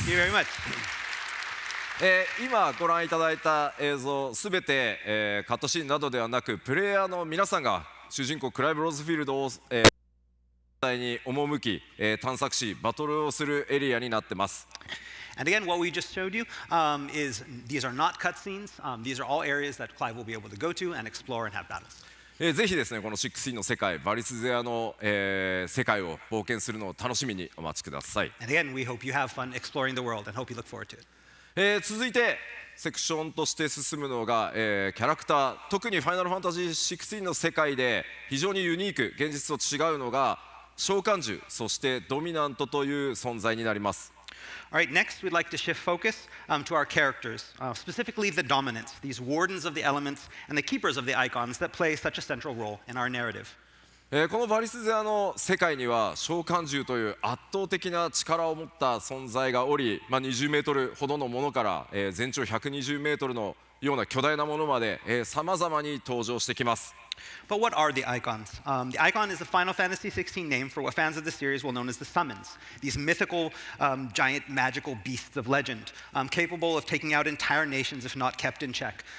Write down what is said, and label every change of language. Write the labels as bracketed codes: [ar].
[en] Thank you very much. [ja] 今ご覧いただいた映像すべて、カットシーンなどではなくプレイヤーの皆さんが主人公クライブ・ローズフィールドを、実際に赴き、探索しバトルをするエリアになってます。 [en] And again, what we just showed you is these are not cutscenes. These are all areas that Clive will be able to go to and explore and have battles. [ja] ぜひですね、この16の世界、バリスゼアの、世界を冒険するのを楽しみにお待ちください。 [en] And again, we hope you have fun exploring the world and hope you look forward to it. [ja] 続いて、セクションとして進むのが、キャラクター、特にファイナルファンタジー16の世界で非常にユニーク、現実と違うのが召喚獣、そしてドミナントという存在になります。 [en] All right, next we'd like to shift focus to our characters, specifically the dominants, these wardens of the elements and the keepers of the icons that play such a central role in our narrative. [ja] このバリスゼアの世界には召喚獣という圧倒的な力を持った存在がおり、まあ、20メートルほどのものから、全長120メートルのような巨大なものまで、様々に登場してきます。 [en] But what are the icons? The icon is the Final Fantasy 16 name for what fans of the series will know as the summons, these mythical, giant magical beasts of legend, capable of taking out entire nations if not kept in check.